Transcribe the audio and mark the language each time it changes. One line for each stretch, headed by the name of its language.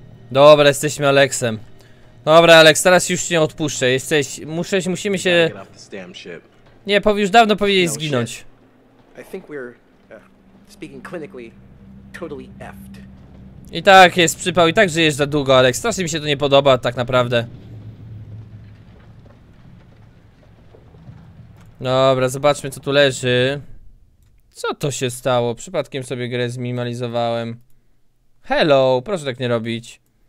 Polish: Dobra, jesteśmy Aleksem. Dobra, Alex, teraz już cię odpuszczę. Jesteś... musimy się... Nie, już dawno powinieneś zginąć.
English: Speaking clinically, totally effed.
Polish: I tak jest przypał, i tak żyjesz za długo, Alex. Strasznie mi się to nie podoba, tak naprawdę. Dobra, zobaczmy, co tu leży. Co to się stało? Przypadkiem sobie grę zminimalizowałem.
English: Hello,
Polish: proszę tak nie robić.